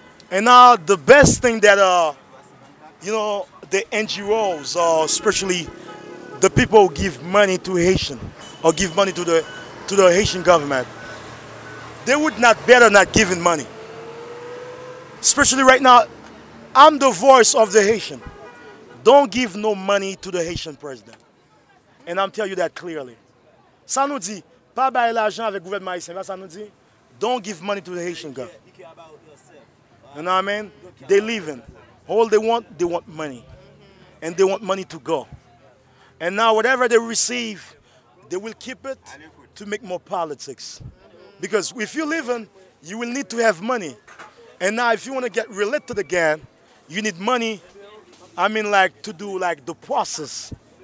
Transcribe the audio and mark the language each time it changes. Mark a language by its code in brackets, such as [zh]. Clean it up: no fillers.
[en] And now, the best thing that, you know, the NGOs, especially the people who give money to Haitian, or give money to the Haitian government, they would not better not giving money. Especially right now, I'm the voice of the Haitian. Don't give no money to the Haitian president. And I'm telling you that clearly. [fr] Ça nous dit, pas bailler l'argent avec le gouvernement haïtien. Ça nous dit, [en] don't give money to the Haitian government. You know what I mean? They're leaving. All they want money. And they want money to go. And now whatever they receive, they will keep it to make more politics. Because if you're leaving, you will need to have money. And now if you want to get reelected again, you need money, I mean like to do like the process.